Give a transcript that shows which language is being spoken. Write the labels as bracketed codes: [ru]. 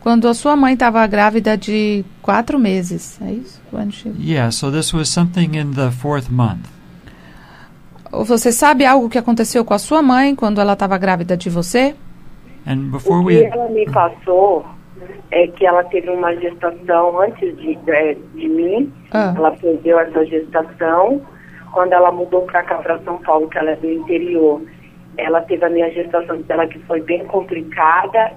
[pt] Quando a sua mãe estava grávida de 4 meses, é isso? [en] So this was something in the fourth month. [pt] Você sabe algo que aconteceu com a sua mãe quando ela estava grávida de você? [en] And before we... [pt] O que ela me passou é que ela teve uma gestação antes de mim. Ela perdeu essa gestação. Quando ela mudou para cá, para São Paulo, que ela é do interior, ela teve a minha gestação dela, que foi bem complicada.